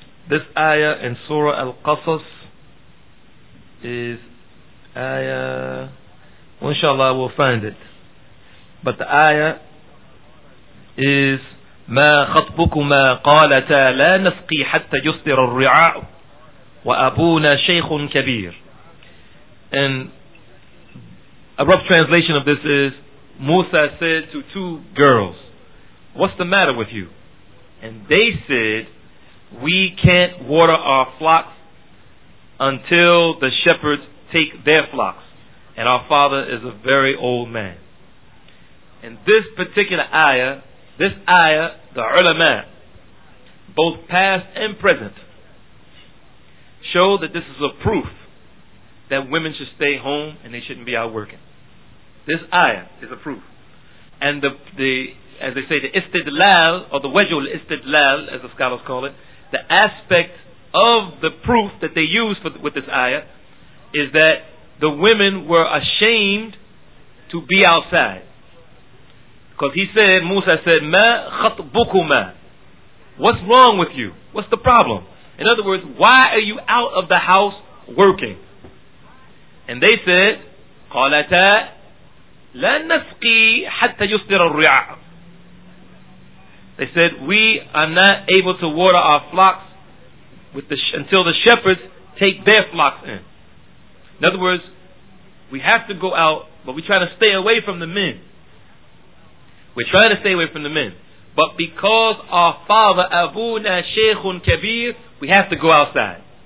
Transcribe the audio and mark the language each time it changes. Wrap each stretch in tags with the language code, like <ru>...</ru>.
<en>This ayah in Surah Al-Qasas is ayah, inshallah, we'll find it. But the ayah is,</en> <ar>مَا خَطْبُكُمَا قَالَتَا لَا نَسْقِي حَتَّى يُصْدِرَ الرِّعَاءُ وَأَبُونَا شَيْخٌ كَبِيرٌ.</ar> <en>And a rough translation of this is, Musa said to two girls, what's the matter with you? And they said, we can't water our flocks until the shepherds take their flocks. And our father is a very old man. And this particular ayah, the ulama, both past and present, show that this is a proof that women should stay home and they shouldn't be out working. This ayah is a proof. And the as they say, the istidlal, or the wajul istidlal, as the scholars call it, the aspect of the proof that they use with this ayah is that the women were ashamed to be outside. Because he said, Musa said,</en> <ar>مَا خَطْبُكُمَا,</ar> <en>what's wrong with you? What's the problem? In other words, why are you out of the house working? And they said,</en> <ar>قَالَتَا لَن نَسْقِي حَتَّى يُصْدِرَ الرِّعَاءُ.</ar> <en>They said, we are not able to water our flocks until the shepherds take their flocks in. In other words, we have to go out, but we're trying to stay away from the men. We're trying to stay away from the men. But because our father,</en> <ar>Abuna Shaykhun Kabir,</ar> <en>we have to go outside.</en>